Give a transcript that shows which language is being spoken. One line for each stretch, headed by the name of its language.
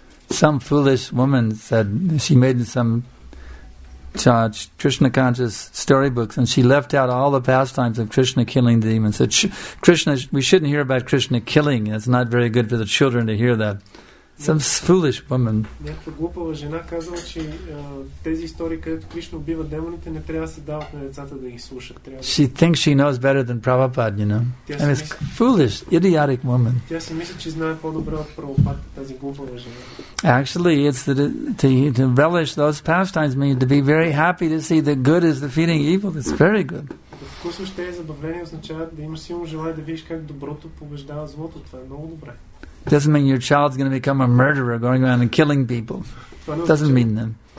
English: Some foolish woman said she made some Krishna conscious storybooks and she left out all the pastimes of Krishna killing the demons. Krishna, we shouldn't hear about Krishna killing. It's not very good for the children to hear that. Some foolish woman.
Bulgarian: Някаква глупава жена казала, че тези истории, където Кришна убива демоните, не трябва да се дават на децата да ги слушат.
English: She thinks she knows better than Prabhupada, you know. And it's foolish, idiotic woman.
Bulgarian: Тя си мисли, че знае по-добре от Прабхупада, тази глупава жена.
English: Actually, it's to relish those pastimes means to be very happy to see that good is defeating evil. It's very good.
Bulgarian: Да вкусваш тези забавления означава да имаш силно желание да видиш как доброто побеждава злото. Това е много добре.
English: Doesn't mean your child's going to become a murderer going around and killing people. Doesn't mean that.